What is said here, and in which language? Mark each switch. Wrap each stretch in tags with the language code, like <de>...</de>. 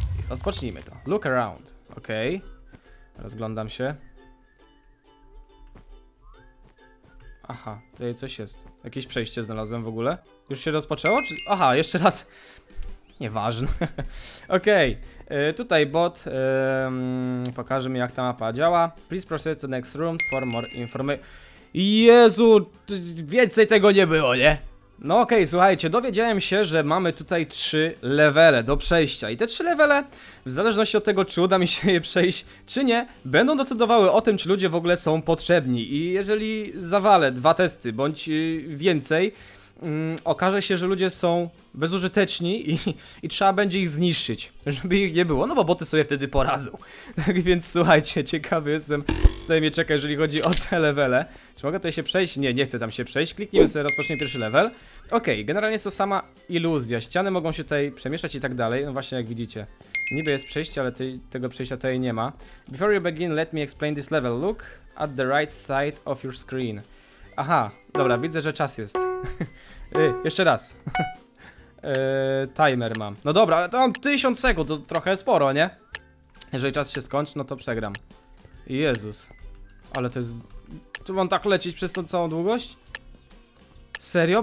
<pl>Rozpocznijmy to.</pl> <en>Look around.</en> <pl>Ok. Rozglądam się. Aha, tutaj coś jest. Jakieś przejście znalazłem w ogóle. Już się rozpoczęło? Czy... Aha, jeszcze raz. Nieważne. Ok. Tutaj bot. Pokaże mi, jak ta mapa działa.</pl> <en>Please proceed to next room for more information.</en> <pl>Jezu, więcej tego nie było, nie? No okej, słuchajcie, dowiedziałem się, że mamy tutaj 3 levele do przejścia. I te 3 levele, w zależności od tego, czy uda mi się je przejść, czy nie, będą decydowały o tym, czy ludzie w ogóle są potrzebni. I jeżeli zawalę 2 testy, bądź więcej, okaże się, że ludzie są bezużyteczni i trzeba będzie ich zniszczyć, żeby ich nie było, no bo boty sobie wtedy poradzą. Tak więc słuchajcie, ciekawy jestem, co tutaj mnie czeka, jeżeli chodzi o te levele. Czy mogę tutaj się przejść? Nie, nie chcę tam się przejść. Kliknijmy sobie, rozpocznij pierwszy level. Okej, generalnie jest to sama iluzja. Ściany mogą się tutaj przemieszczać i tak dalej. No właśnie, jak widzicie, niby jest przejście, ale tego przejścia tutaj nie ma.</pl> <en>Before you begin, let me explain this level. Look at the right side of your screen.</en> <pl>Aha, dobra, widzę, że czas jest. jeszcze raz. timer mam. No dobra, ale to mam 1000 sekund, to trochę sporo, nie? Jeżeli czas się skończy, no to przegram. Jezus. Ale to jest... Tu mam tak lecieć przez tą całą długość? Serio?</pl>